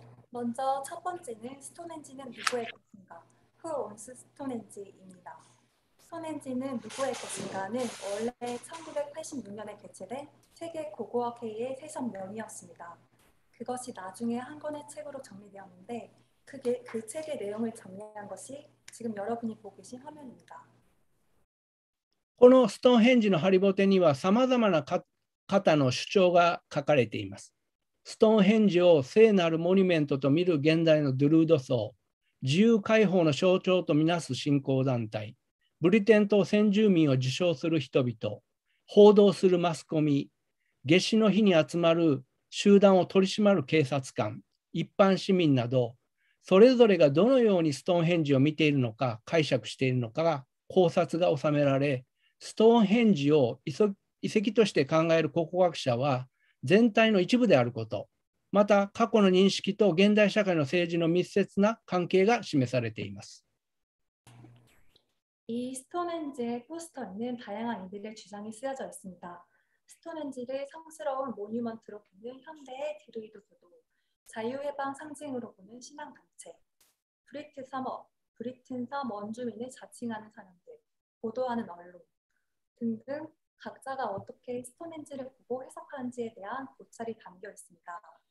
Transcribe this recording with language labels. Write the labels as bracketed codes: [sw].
[ja] まず、 [ko] 첫번째는ストーンヘンジは누구의것인가 [en] Who owns Stonehenge [ko] 입니다。ストーンヘンジは누구의것인가는원래1986년에개최된세계고고학회의세션명이었습니다。 그것이나중에한권의책으로정리되었는데 그책의내용을정리한것이지금여러분이보고계신화면입니다。 [ja] このストーンヘンジの張りぼてには様々な方の主張が書かれています。ストーンヘンジを聖なるモニュメントと見る現代のドゥルード層、自由解放の象徴とみなす信仰団体、ブリテン島先住民を受賞する人々、報道するマスコミ、夏至の日に集まる集団を取り締まる警察官、一般市民など、それぞれがどのようにストーンヘンジを見ているのか、解釈しているのかが考察が収められ、ストーンヘンジを遺跡として考える考古学者は、全体の一部であること、また過去の認識と現代社会の政治の密接な関係が示されています。 [ko] 이 스톤헨지의 포스터에는 다양한 이들의 주장이 쓰여져 있습니다. 스톤헨지를 성스러운 모뉴먼트로 보는 현대의 드루이드 교도, 자유해방 상징으로 보는 신앙단체, 브리튼섬 원주민을 자칭하는 사람들, 보도하는 언론 등등 각자가 어떻게 스톤헨지를 보고 해석하는지에 대한 고찰이 담겨 있습니다.